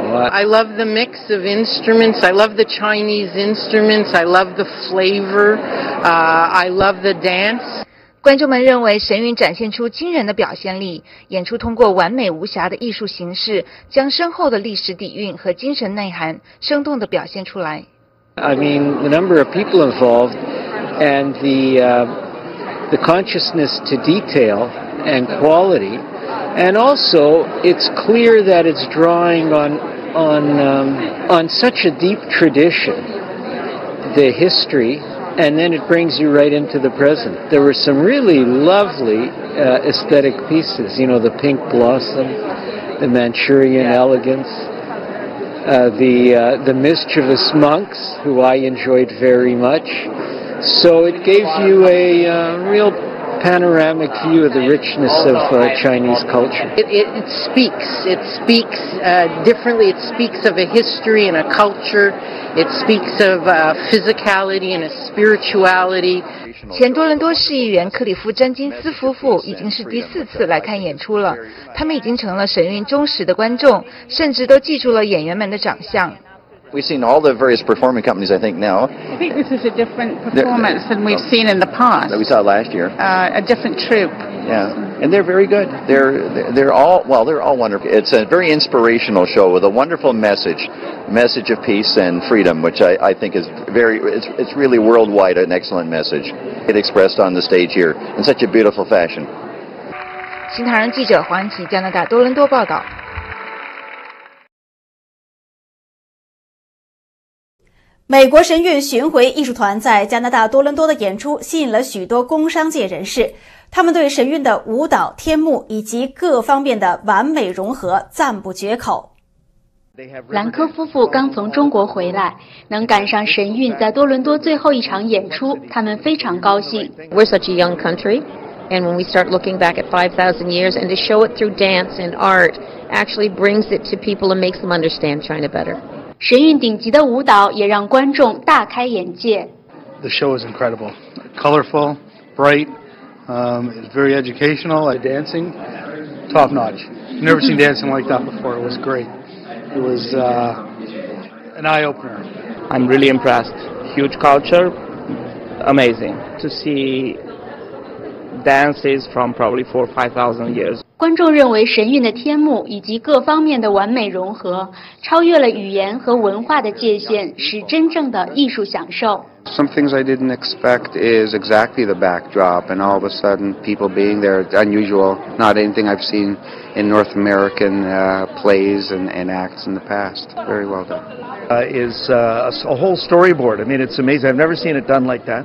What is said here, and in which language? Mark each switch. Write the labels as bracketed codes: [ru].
[en] I love the mix of instruments. I love the Chinese instruments. I love the flavor. I love the dance. [zh] 观众们认为神韵展现出惊人的表现力，演出通过完美无瑕的艺术形式，将深厚的历史底蕴和精神内涵生动地表现出来。 [en] I mean, the number of people involved and the consciousness to detail and quality, and also it's clear that it's drawing on such a deep tradition, the history, and then it brings you right into the present. There were some really lovely aesthetic pieces, you know, the pink blossom, the Manchurian elegance. The mischievous monks, who I enjoyed very much. So it gave you a real panoramic view of the richness of Chinese culture. It speaks differently. It speaks of a history and a culture. It speaks of physicality and a spirituality. [zh] 前多伦多市议员克里夫·詹金斯夫妇已经是第四次来看演出了，他们已经成了神韵忠实的观众，甚至都记住了演员们的长相。 [en] We've seen all the various performing companies, I think, now. I think this is a different performance than we've seen in the past. That we saw last year. A different troupe. Yeah, and they're very good. They're all wonderful. It's a very inspirational show with a wonderful message of peace and freedom, which I think is very, it's really worldwide an excellent message. It expressed on the stage here in such a beautiful fashion. [zh] 新唐人记者黄琦，加拿大多伦多报道。美国神韵巡回艺术团在加拿大多伦多的演出吸引了许多工商界人士，他们对神韵的舞蹈、天幕以及各方面的完美融合赞不绝口。兰科夫妇刚从中国回来，能赶上神韵在多伦多最后一场演出，他们非常高兴。 [en] We're such a young country, and when we start looking back at 5,000 years and to show it through dance and art actually brings it to people and makes them understand China better. [zh] 神韵顶级的舞蹈也让观众大开眼界。 [en] The show is incredible, colorful, bright, it's very educational. The dancing, top notch. Never seen dancing like that before. It was great. It was an eye opener. I'm really impressed. Huge culture, amazing to see dances from probably 4,000 or 5,000 years. [zh] 观众认为神韵的天幕以及各方面的完美融合，超越了语言和文化的界限，是真正的艺术享受。 [en] Some things I didn't expect is exactly the backdrop and all of a sudden people being there, it's unusual, not anything I've seen in North American plays and acts in the past. Very well done. Is a whole storyboard. I mean, it's amazing. I've never seen it done like that.